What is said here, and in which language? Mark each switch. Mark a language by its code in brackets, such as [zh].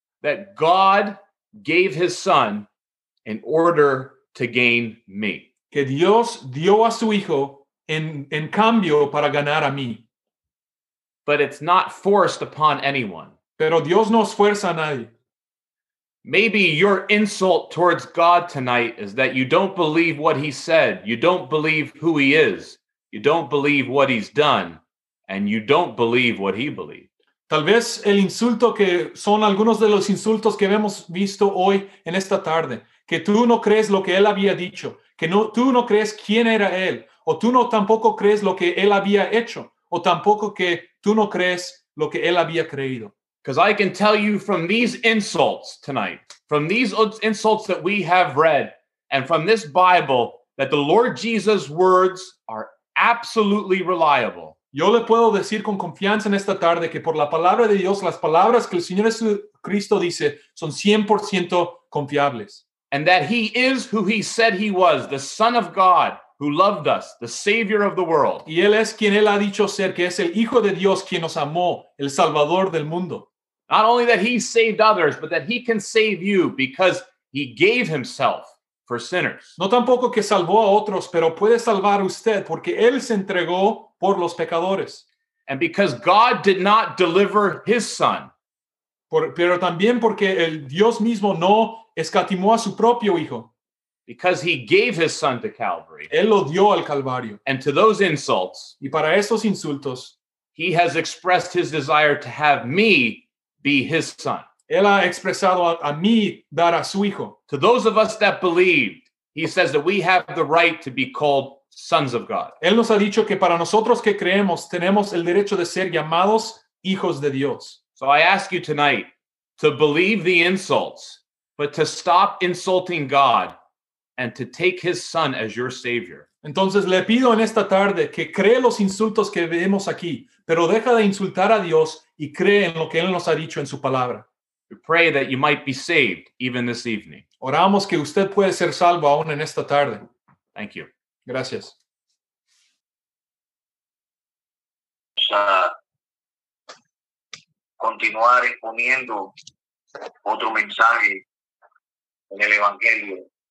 [en] That God gave his son in order to gain me. [es] Que Dios dio a su hijo en cambio para ganar a mí. [en] But it's not forced upon anyone. [es] Pero Dios no esfuerza a nadie. [en] Maybe your insult towards God tonight is that you don't believe what he said. You don't believe who he is. You don't believe what he's done. And you don't believe what he believed. [es] Tal vez el insulto que son algunos de los insultos que hemos visto hoy en esta tarde. Que tú no crees lo que él había dicho. Que no, tú no crees quién era él. O tú no tampoco crees lo que él había hecho. O tampoco que tú no crees lo que él había creído. [en] Because I can tell you from these insults tonight, from these insults that we have read, and from this Bible, that the Lord Jesus' words are absolutely reliable. [es] Yo le puedo decir con confianza en esta tarde que por la palabra de Dios, las palabras que el Señor Jesucristo dice son 100% confiables. [en] And that he is who he said he was, the Son of God, who loved us, the Savior of the world. [es] Y él es quien él ha dicho ser, que es el Hijo de Dios quien nos amó, el Salvador del mundo. [en] Not only that he saved others, but that he can save you because he gave himself for sinners. [es] No tampoco que salvó a otros, pero puede salvar usted porque él se entregó por los pecadores. [en] And because God did not deliver his son. [es] Pero también porque el Dios mismo no escatimó a su propio hijo. [en] Because he gave his son to Calvary. [es] Él lo dio al Calvario. [en] And to those insults. [es] Y para esos insultos. [en] He has expressed his desire to have me be his son. [es] Él ha expresado a mí dar a su hijo. [en] To those of us that believed, he says that we have the right to be called sons of God. [es] Él nos ha dicho que para nosotros que creemos, tenemos el derecho de ser llamados hijos de Dios. [en] So I ask you tonight to believe the insults, but to stop insulting God. And to take his son as your savior. [es] Entonces le pido en esta tarde que cree los insultos que vemos aquí, pero deja de insultar a Dios y cree en lo que él nos ha dicho en su palabra. [en] We pray that you might be saved even this evening. [es] Oramos que usted puede ser salvo aún en esta tarde. [en] Thank you. [es] Gracias. Continuar exponiendo otro mensaje en el evangelio.